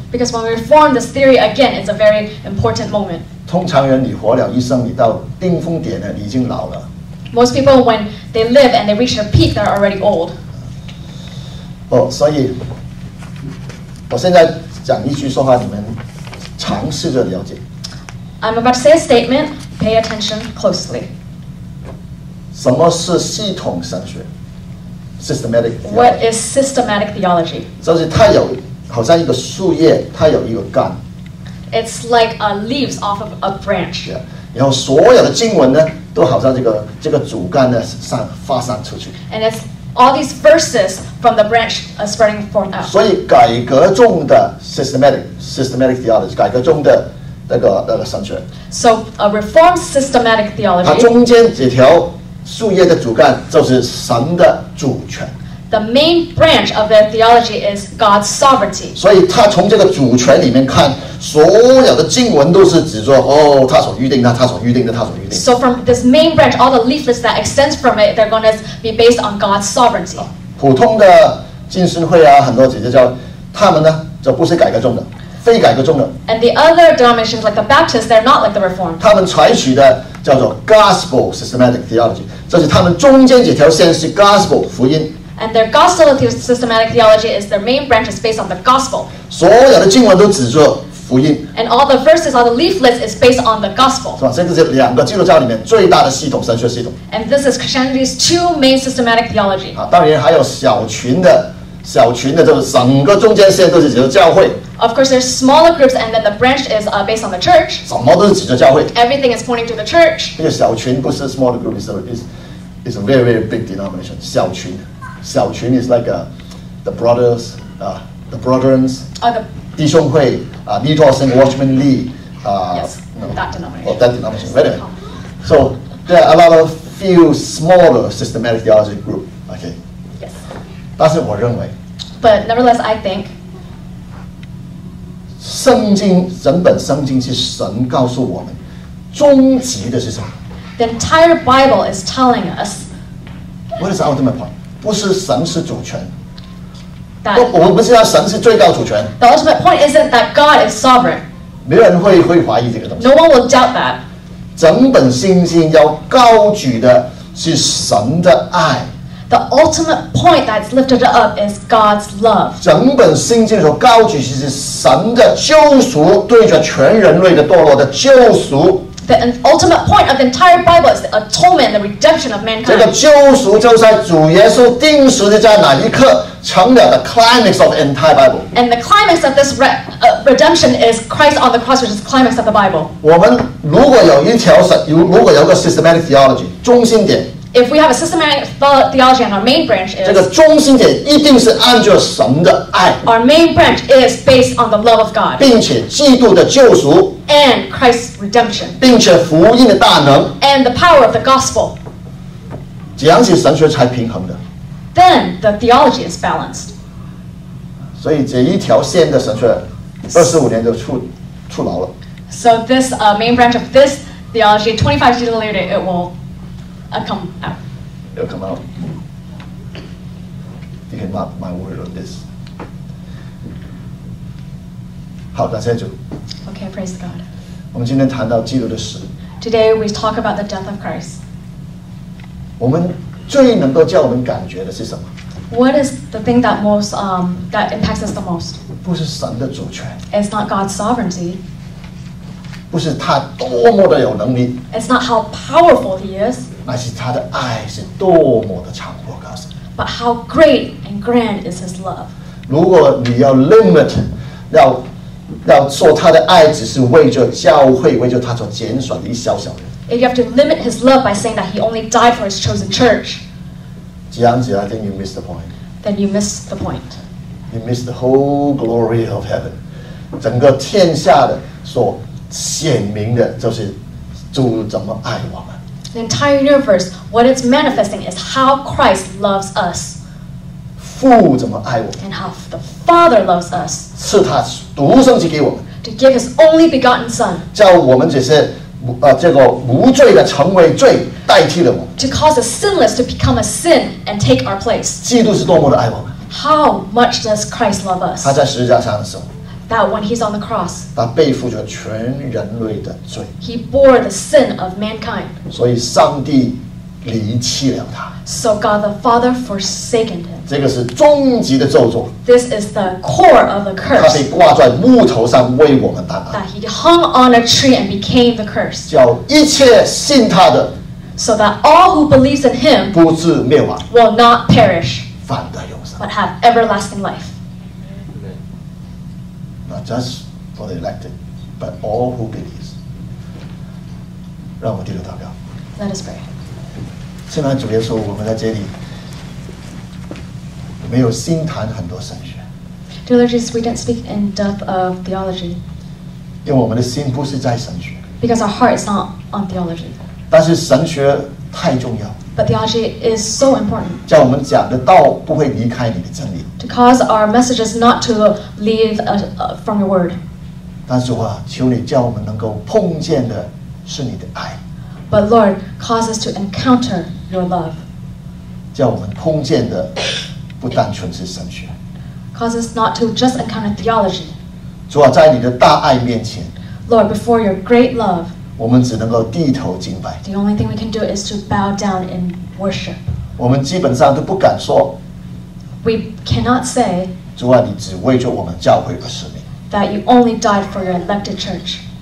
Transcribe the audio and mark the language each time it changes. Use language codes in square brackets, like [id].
[en] Because when we form this theory again, it's a very important moment. [zh] 通常人你活了一生，你到顶峰点了，你已经老了。 [en] Most people when they live and they reach their peak, they're already old. [zh] 哦，所以我现在讲一句说话，你们尝试着了解。 [en] I'm about to say a statement. Pay attention closely. [zh] 什么是系统神学？ [en] Systematic theology. What is systematic theology? [zh] 就是它有好像一个树叶，它有一个干。 [en] It's like a leaves off of a branch. Yeah. [zh] 然后所有的经文呢，都好像这个主干呢上发散出去。 [en] And it's all these verses from the branch spreading forth out. [zh] 所以改革中的 systematic theology， 改革中的那个神学。 [en] So a reformed systematic theology. [zh] 它中间几条。树叶的主干就是神的主权。 [en] The main branch of the theology is God's sovereignty. [zh] 所以他从这个主权里面看，所有的经文都是指说，哦，他所预定的，他所预定的，他所预定的。 [en] So from this main branch, all the leaflets that extends from it, they're going to be based on God's sovereignty. [zh] 普通的浸信会啊，很多姐姐叫他们呢，就不是改革中的，非改革中的。 [en] And the other denominations like the Baptists, they're not like the Reformed. [zh] 他们采取的。叫做 gospel systematic theology， 这是他们中间几条线是 gospel 福音。 [en] And their gospel systematic theology is their main branch is based on the gospel。 [zh] 所有的经文都指着福音。 [en] And all the verses, all the leaflets is based on the gospel。 [zh] 是吧？这是两个基督教里面最大的系统神学系统。 [en] And this is Christianity's two main systematic theology。 [zh] 啊，当然还有小群的，就是整个中间线都是指着教会。 [en] Of course, there's smaller groups, and then the branch is based on the church. [zh] 什么都是指着教会。 [en] Everything is pointing to the church. [zh] 那个小群不是 [en] smaller group, it's a very, very big denomination. 小群 is like the brothers, the brothers. The 弟兄会啊 ，Leaders and Watchmen Lee. That denomination. That denomination. Right. So there are a lot of few smaller systematic theology group. Okay. Yes. [zh] 但是我认为。 [en] But nevertheless, I think. [zh] 圣经整本圣经是神告诉我们终极的是什么 [en] The entire Bible is telling us What is the ultimate point? [zh] 不是神是主权我们不是要神是最高主权 [en] The ultimate point isn't that God is sovereign [zh] 没人 会怀疑这个东西 [en] No one will doubt that [zh] 整本圣经要高举的是神的爱 [en] The ultimate point that's lifted up is God's love [zh] 整本圣经所高举的是神的救赎对着全人类的堕落的救赎 [en] The ultimate point of the entire Bible is the atonement, the redemption of mankind [zh] 这个救赎就在主耶稣钉十字架那一刻成了 [en] the climax of the entire Bible And the climax of this redemption is Christ on the cross which is the climax of the Bible [zh] 我们如果有一条如果有个 systematic theology 中心点 [en] If we have a systematic theology and our main branch is [zh] 这个中心点一定是按照神的爱 [en] Our main branch is based on the love of God [zh] 并且基督的救赎 [en] And Christ's redemption [zh] 并且福音的大能 [en] And the power of the gospel [zh] 这样是神学才平衡的 [en] Then the theology is balanced. [zh] 所以这一条线的神学，二十五年就出牢了。 [en] So this main branch of this theology, 25 years later, it will come out. It'll come out. You can mark my word on this. [zh] 好，感谢主。 [en] Okay, praise God. [zh] 我们今天谈到基督的死。 [en] Today we talk about the death of Christ. [zh] 我们。最能够叫我们感觉的是什么 [en] ？What is the thing that most that impacts us the most？ [zh] 不是神的主权。 [en] It's not God's sovereignty。 [zh] 不是他多么的有能力。 [en] It's not how powerful he is。 [zh] 乃是他的爱是多么的长阔高深。 [en] But how great and grand is his love？ [zh] 如果你要 limit， 要说他的爱只是为着教会，为着他所拣选的一小小人。 [en] If you have to limit his love by saying that he only died for his chosen church, [zh] 这样子, [en] I think you missed the point. Then you missed the point. You missed the whole glory of heaven. [zh] 整个天下的所显明的就是主怎么爱我们。 [en] The entire universe, what it's manifesting is how Christ loves us. [zh] 父怎么爱我们。 [en] And how the Father loves us. [zh] 赐他独生子给我们。 [en] To give his only begotten son. [zh] 叫我们只是这个无罪的成为罪代替了我 [en] To cause a sinless to become a sin and take our place [zh] 基督是多么的爱我们 [en] How much does Christ love us [zh] 他在十字架上的时候 [en] That when he's on the cross [zh] 他背负着全人类的罪 [en] He bore the sin of mankind [zh] 所以上帝离弃了他 [en] So God the Father forsaken him [zh] 这个是终极的咒诅 [en] This is the core of the curse [zh] 他被挂在木头上为我们担当 [en] That he hung on a tree and became the curse [zh] 叫一切信他的 [en] So that all who believes in him [zh] 不至灭亡 [en] Will not perish [zh] 反得永生 [en] But have everlasting life Not just for the elected But all who believes [zh] 让我低头祷告 [en] Let us pray [zh] 圣诞主耶稣，我们在这里没有心谈很多神学。 [en] Dear Lord Jesus, we don't speak in depth of theology. [zh] 因为我们的心不是在神学。 [en] Because our heart is not on theology. [zh] 但是神学太重要。 [en] But theology is so important. [zh] 叫我们讲的道不会离开你的真理。 [en] To cause our messages not to leave from your word. [zh] 但是主啊，求你叫我们能够碰见的是你的爱。 [en] But Lord, cause us to encounter your love. [zh] 叫我们碰见的不单纯是神学。 [en] Cause us not to just encounter theology. [zh] 主啊，在你的大爱面前。 [en] Lord, before your great love. [zh] 我们只能够低头敬拜。 [en] The only thing we can do is to bow down in worship. [zh] 我们基本上都不敢说。 [en] We cannot say. [zh] 主啊，你只为着我们教会而舍命。 [en] That you only died for your elected church.